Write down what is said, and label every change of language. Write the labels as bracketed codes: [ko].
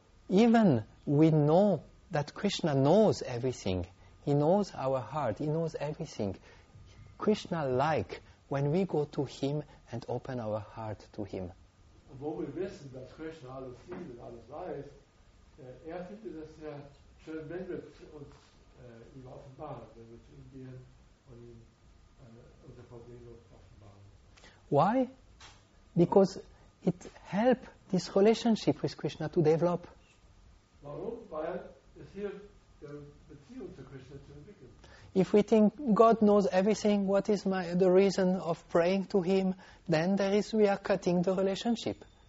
[en] Even we know that Krishna knows everything. He knows our heart. He knows everything. Krishna like when we go to him and open our heart to him. [de] Obwohl wir wissen, dass Krishna alles sieht und alles weiß, er findet es sehr schön, wenn wir uns ihm offenbaren, wenn wir zu ihm gehen und ihm unsere Verbindung offenbaren. [en] Why? Because it helps this relationship with Krishna to develop. [de] Warum? Weil es hilft, die Beziehung zu Krishna zu entwickeln. [en] If we think God knows everything, what is the reason of praying to Him? Then we are cutting the relationship.